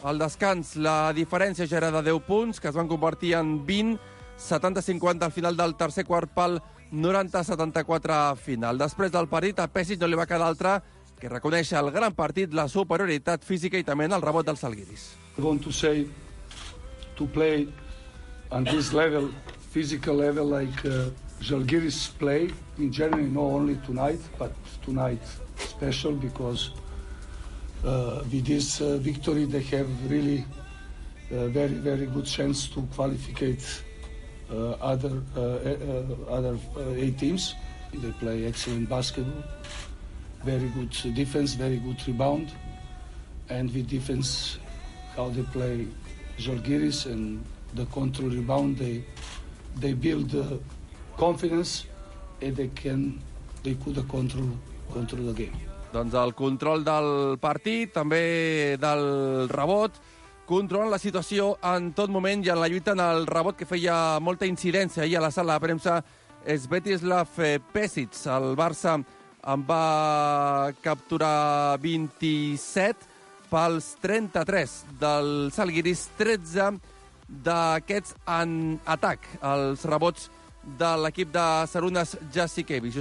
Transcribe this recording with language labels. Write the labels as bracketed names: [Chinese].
[Catalan] Al descans, la diferència ja era de 10 punts, que es van convertir en 20, 70-50 al final del tercer quart pal, 90-74 final. Després del partit, a Pesic no li va quedar altra que reconèixer el gran partit, la superioritat física i també el rebot del Salguiris. [English] I want to say to play on this level, physical level, like Žalgiris play, in general, not only tonight, but tonight special, because with this victory they have really very, very good chance to qualificate other eight teams. They play excellent basketball, very good defense, very good rebound, and with defense, how they play Žalgiris and the control rebound, they build confidence and they could control the game. [Catalan] Doncs el control del partit, també del rebot, controlant la situació en tot moment i en la lluita en el rebot, que feia molta incidència ahir a la sala de premsa, és Svetislav Pešić. El Barça en va capturar 27 pels 33 del Salguiris, 13 d'aquests en atac, els rebots de l'equip de Sarunas Jasikevic.